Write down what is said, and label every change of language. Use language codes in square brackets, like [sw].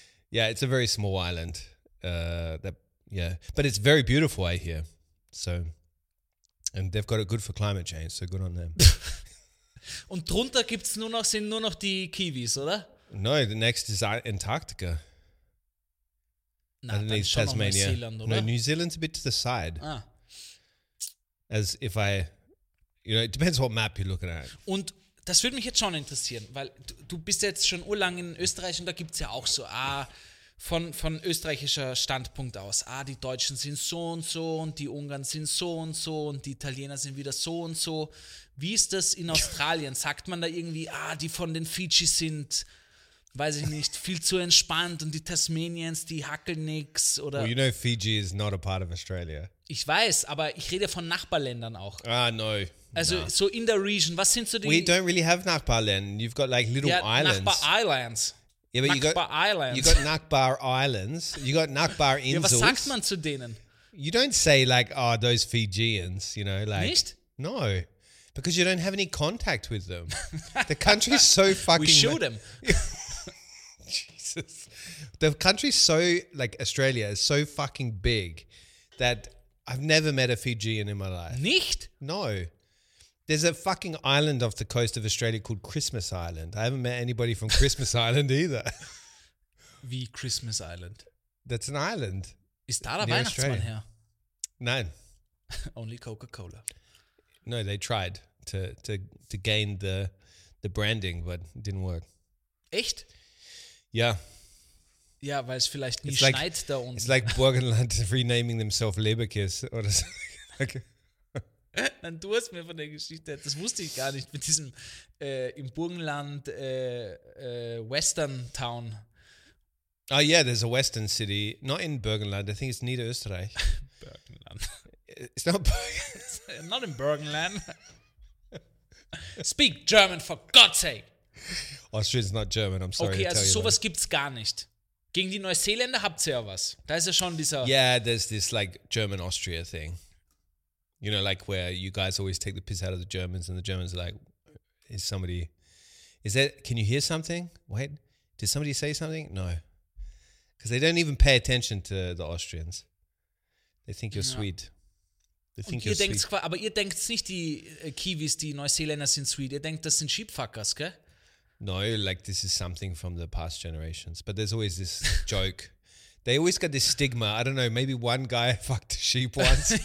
[en] Yeah, it's a very small island. But it's very beautiful, I hear. So, and they've got it good for climate change, so good on them. [de] Und drunter gibt's nur noch, sind nur noch die Kiwis, oder? [en] No, the next is Antarctica. Nah, underneath dann Tasmania. New Zealand, no, New Zealand's a bit to the side. Ah. As if I, you know, it depends what map you're looking at. [de] Und das würde mich jetzt schon interessieren, weil du bist jetzt schon urlang in Österreich und da gibt's ja auch so, ah, von österreichischer Standpunkt aus, ah, die Deutschen sind so und so und die Ungarn sind so und so und die Italiener sind wieder so und so. Wie ist das in Australien? Sagt man da irgendwie, ah, die von den Fidschi sind... Weiß ich nicht, viel zu entspannt und die Tasmanians, die hackeln nix oder... [en] Well, you know Fiji is not a part of Australia. [de] Ich weiß, aber ich rede von Nachbarländern auch. [en] Ah, no. [de] Also [en] nah. [de] So in der Region, was sind so die... [en] We don't really have Nachbarländer. You've got like little yeah, islands. Nachbar-Islands. Yeah, but Nachbar-Islands. You got Nachbar-Islands. You got Nachbar-Insels. [de] Ja, was sagt man zu denen? [en] You don't say like, oh, those Fijians, you know, like... [de] Nicht? [en] No. Because you don't have any contact with them. The country is so fucking... We shoot them. The country's so, like, Australia is so fucking big that I've never met a Fijian in my life. [de] Nicht? [en] No. There's a fucking island off the coast of Australia called Christmas Island. I haven't met anybody from Christmas Island either. [de] Wie Christmas Island? [en] That's an island. [de] Ist da der Weihnachtsmann her? Nein. [en] Only Coca-Cola. No, they tried to gain the branding, but it didn't work. [de] Echt? [en] Yeah. [de] Ja, weil es vielleicht nie like, schneit da unten. [en] It's like Burgenland renaming themselves Leberkiss [de] oder so. Nein, du hast mir von der Geschichte, das wusste ich gar nicht, mit diesem im Burgenland Western Town. [en] Oh yeah, there's a Western City. Not in Burgenland, I think it's Niederösterreich. Burgenland. It's not Burgenland. Not in Burgenland. Speak German for God's sake. Austria's not German, I'm sorry okay, to [de] also [en] tell you. [de] Okay, also sowas gibt's gar nicht. Gegen die Neuseeländer habt ihr ja was. Da ist ja schon dieser... [en] Yeah, there's this, like, German-Austria thing. You know, like, where you guys always take the piss out of the Germans and the Germans are like, is somebody... Is that... Can you hear something? Wait, did somebody say something? No. Because they don't even pay attention to the Austrians. They think you're sweet. They think you're sweet. [de] Denkt's, aber ihr denkt nicht, die Kiwis, die Neuseeländer sind sweet. Ihr denkt, das sind Sheepfuckers, gell? [en] No, like this is something from the past generations. But there's always this joke. They always got this stigma. I don't know, maybe one guy fucked a sheep once.